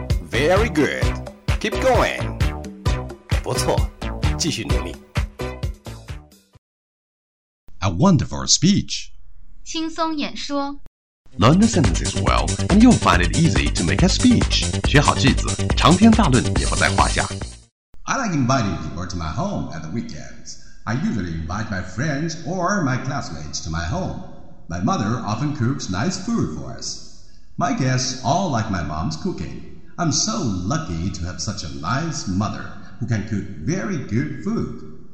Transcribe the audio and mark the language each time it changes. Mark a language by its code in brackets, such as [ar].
[en] Very good. Keep going. [zh] 不错，继续努力。 [en] A wonderful speech. [zh] 轻松演说。 [en] Learn the sentences well, and you'll find it easy to make a speech. [zh] 学好句子，长篇大论也不在话下。 [en] I like inviting people to my home at the weekends. I usually invite my friends or my classmates to my home. My mother often cooks nice food for us. My guests all like my mom's cooking. I'm so lucky to have such a nice mother who can cook very good food.